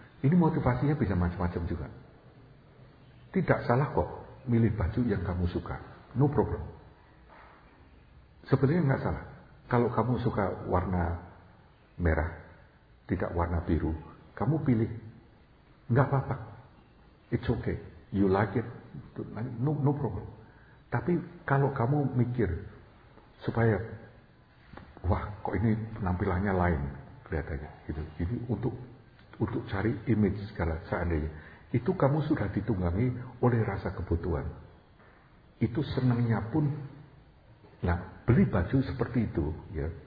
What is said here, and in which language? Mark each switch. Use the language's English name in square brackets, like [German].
[Indonesian] Ini motivasinya bisa macam-macam juga. Tidak salah kok milih baju yang kamu suka, no problem. Sebenarnya nggak salah. Kalau kamu suka warna merah, tidak warna biru, kamu pilih, nggak apa-apa. [English] It's okay, you like it, no problem. [Indonesian] Tapi kalau kamu mikir supaya wah, kok ini penampilannya lain kelihatannya gitu. Ini untuk cari image segala seandainya. Itu kamu sudah ditunggangi oleh rasa kebutuhan. Itu senangnya pun, nah, beli baju seperti itu ya.